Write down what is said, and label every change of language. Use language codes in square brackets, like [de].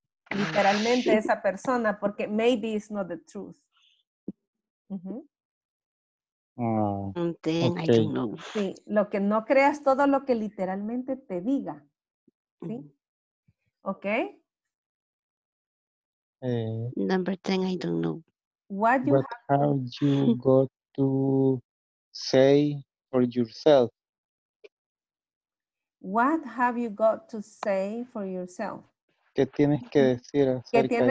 [es] Literalmente esa persona, porque [en] maybe it's not the truth. Okay. [es] Sí, lo que no creas todo lo que literalmente te diga. ¿Sí? Ok. [en] Number 10, I don't know. What have you got to say for yourself? What have you got to say for yourself? [es] ¿Qué tienes que decir acerca de ti mismo?